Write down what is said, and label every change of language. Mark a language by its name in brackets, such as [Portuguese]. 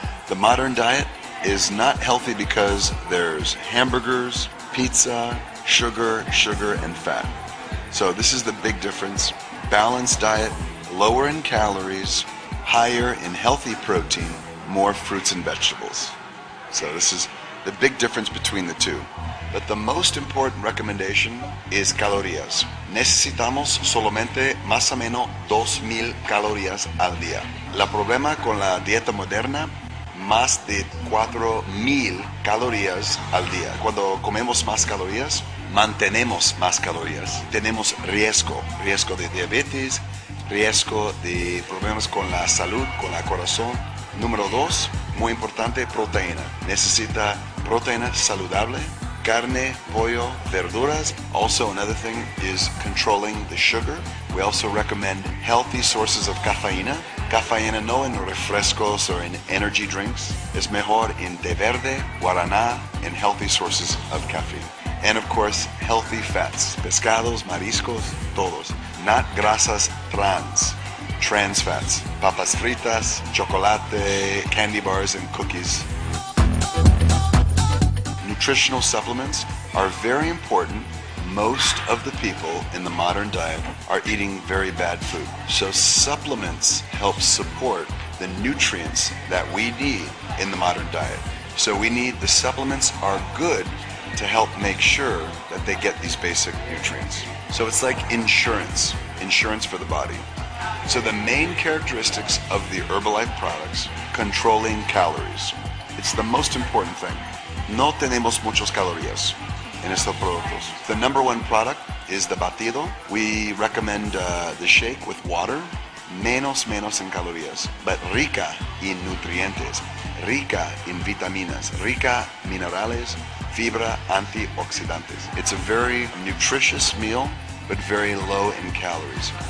[English] The modern diet is not healthy because there's hamburgers, pizza, sugar, and fat. So this is the big difference. Balanced diet, lower in calories, higher in healthy protein, more fruits and vegetables. So this is the big difference between the two. But the most important recommendation is calorías. [Spanish] Necesitamos solamente más o menos 2,000 calorías al día. La problema con la dieta moderna, más de 4,000 calorías al día. Cuando comemos más calorías, mantenemos más calorías. Tenemos riesgo de diabetes, riesgo de problemas con la salud, con el corazón. Número dos, muy importante, proteína. Necesita proteína saludable. Carne, pollo, verduras. [English] Also, another thing is controlling the sugar. We also recommend healthy sources of cafeína. [Spanish] Cafeína no en refrescos [English] or in energy drinks. [Spanish] Es mejor en té verde, guaraná, [English] and healthy sources of caffeine. And of course, healthy fats. [Spanish] Pescados, mariscos, todos. [English] Not [Spanish] grasas trans. [English] Trans fats. [Spanish] Papas fritas, [English] chocolate, candy bars, and cookies. Nutritional supplements are very important. Most of the people in the modern diet are eating very bad food. So supplements help support the nutrients that we need in the modern diet. So we need the supplements are good to help make sure that they get these basic nutrients. So it's like insurance for the body. So the main characteristics of the Herbalife products, controlling calories. It's the most important thing. [Spanish] No tenemos muchas calorías en estos productos. [English] The number one product is the batido. We recommend the shake with water. [Spanish] Menos en calorías, [English] but [Spanish] rica en nutrientes, rica en vitaminas, rica minerales, fibra antioxidantes. [English] It's a very nutritious meal, but very low in calories.